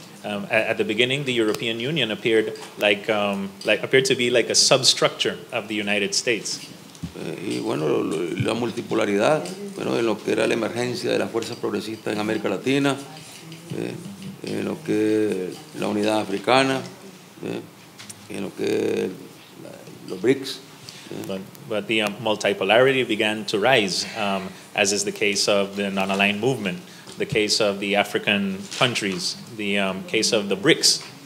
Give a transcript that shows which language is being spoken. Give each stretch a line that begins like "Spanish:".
English: At the beginning, the European Union appeared appeared to be like a substructure of the United States.
Spanish: Y bueno, la multipolaridad, bueno, en lo que era la emergencia de las fuerzas progresistas en América Latina, en lo que la unidad africana, en lo que los BRICS.
English: But the multipolarity began to rise, as is the case of the non-aligned movement, the case of the African countries, the case of the BRICS.